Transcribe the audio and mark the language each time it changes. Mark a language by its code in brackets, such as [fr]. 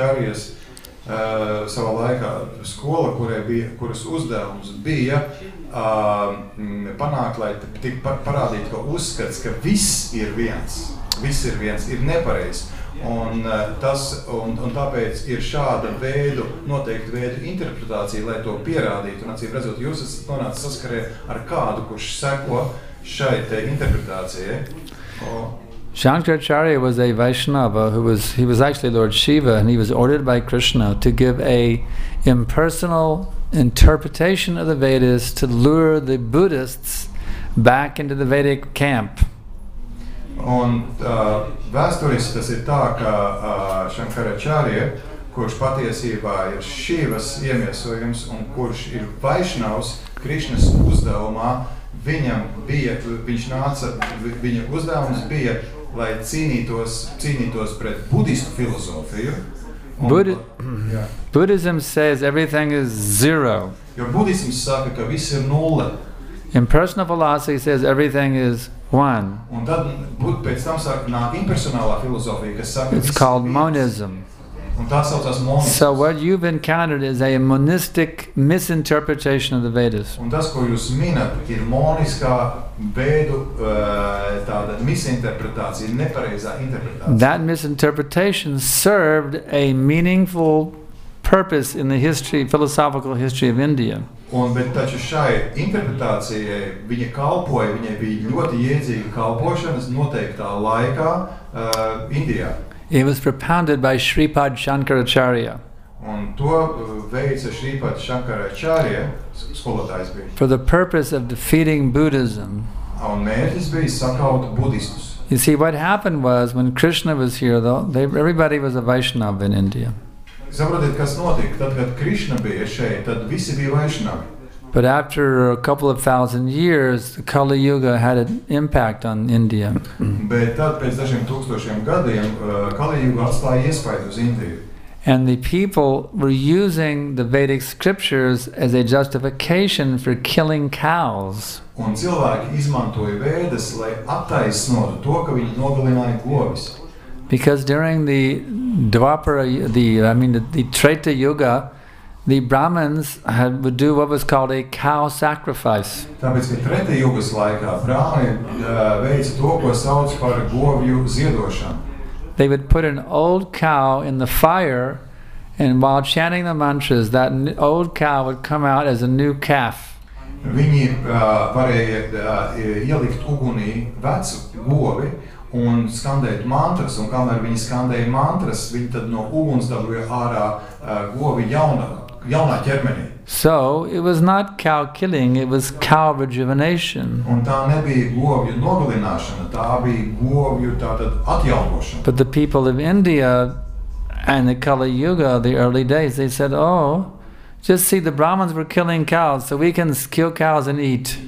[lv] Savā laikā skola, kuras uzdevums bija panākt, lai tik parādītu, ka uzskats, ka viss ir viens ir nepareizs. Un, tas, un tāpēc ir šāda veida, noteikta veida interpretācija, lai to pierādītu. Un acīm redzot, jūs esat nonācis saskarē ar kādu, kurš seko šai te interpretācijai. [en] Shankaracharya was a Vaishnava who was, he was actually Lord Shiva, and he was ordered by Krishna to give a impersonal interpretation of the Vedas to lure the Buddhists back into the Vedic camp. [lv] Un vēsturiski tas ir tā, ka Shankaracharya, kurš patiesībā ir Shivas iemiesojums un kurš ir Vaishnavs Krishnas uzdevumā, viņa uzdevums bija lai cīnītos pret budistu filozofiju. [en] Buddhism says everything is zero. [lv] Jo budisms saka, ka viss ir nulle. [en] Impersonal philosophy says everything is one. [lv] Un tad pēc tam saka, nā impersonālā filozofija, kas saka, [en] it's called monism. [lv] Un tā saucās monism. [en] So what you've encountered is a monistic misinterpretation of the Vedas. [lv] Un tas, ko jūs minat, ir moniskā Vedu tāda misinterpretācija, nepareizā interpretācija. [en] That misinterpretation served a meaningful purpose in the history, philosophical history of India. [lv] Un, bet taču šai interpretācijai viņa kalpoja, viņai bija ļoti iedzīga kalpošanas noteiktā laikā Indijā. [en] It was propounded by Śrīpāda Śaṅkaracārya. [lv] Un to veica Śrīpāda Śaṅkaracārya, skolotājs bija. [en] For the purpose of defeating Buddhism. [lv] Un mērķis bija sakaut budistus. [en] You see, what happened was, when Krishna was here, though, everybody was a Vaishnava in India. [lv] Saprotiet, kas notika? Tad, kad Krishna bija šeit, tad visi bija Vaishnava. [en] But after a couple of thousand years, the Kali Yuga had an impact on India. [lv] Bet tad pēc dažiem tūkstošiem gadiem Kali Yuga atstāja iespaidu uz Indiju. [en] And the people were using the Vedic scriptures as a justification for killing cows. [lv] Un cilvēki izmantoja Vēdas, lai attaisnotu to, ka viņi nogalināja govis. [en] Because during the Dvapara, the Treta Yuga, the Brahmins had would do what was called a cow sacrifice. [lv] Tāpēc, ka Treta Jugas laikā Brahmi veica to, ko sauc par govju ziedošanu. [en] They would put an old cow in the fire, and while chanting the mantras, that old cow would come out as a new calf. [lv] Viņi varēja ielikt ugunī vecu govi un skandēt mantras, un kamēr viņi skandēja mantras, viņi tad no uguns dabūja ārā govi jaunā ķermenī. [en] So, it was not cow killing, it was cow rejuvenation. [lv] Un tā nebija govju nogalināšana, tā bija govju tātad atjaunošana. [en] But the people of India and the Kali Yuga, the early days, they said, oh, just see, the Brahmins were killing cows, so we can kill cows and eat.